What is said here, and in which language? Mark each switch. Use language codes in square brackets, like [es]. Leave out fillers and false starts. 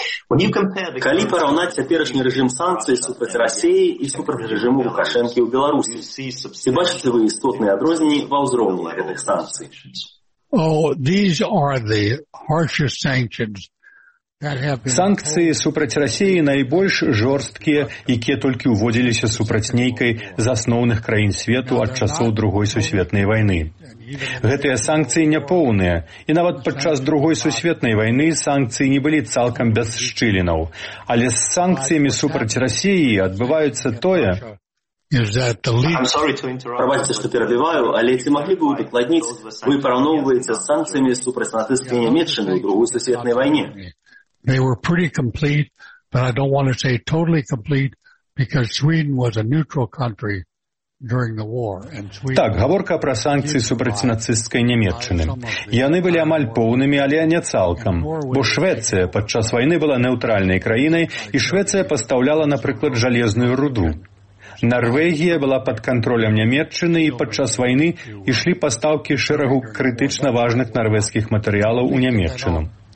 [be] Калі параўнаць цяперашні рэжым санкцый супраць Расіі і супраць рэжыму Лукашэнкі ў Беларусі, ці бачыце вы істотныя адрозненні ва ўзроўні гэтых санкцый? [en] These are the harshest sanctions. [be] Санкцыі супраць Расіі найбольш жорсткія, якія толькі ўводзіліся супраць нейкай з асноўных краін свету ад часоў Другой сусветнай вайны. Гэтыя санкцыі няпоўныя, і нават падчас Другой сусветнай вайны санкцыі не былі цалкам без шчылінаў. Але з санкцыямі супраць Расіі адбываецца тое... Прабачце, што перабіваю, але ці маглі б вы ўдакладніць, вы параўноўваеце з санкцыямі супраць нацысцкай Нямеччыны ў Другой сусветнай вайне? [en] They were pretty complete, but I don't want to say totally complete, because Sweden was a neutral country during the war. [be] Так, гаворка пра санкцыі супраць нацысцкай Нямеччыны. Яны былі амаль поўнымі, але не цалкам. Бо Швецыя падчас вайны была нейтральнай краінай, і Швецыя пастаўляла, напрыклад, жалезную руду. Нарвегія была пад кантролем Нямеччыны, і падчас вайны ішлі пастаўкі шэрагу крытычна важных нарвежскіх матэрыялаў у Нямеччыну.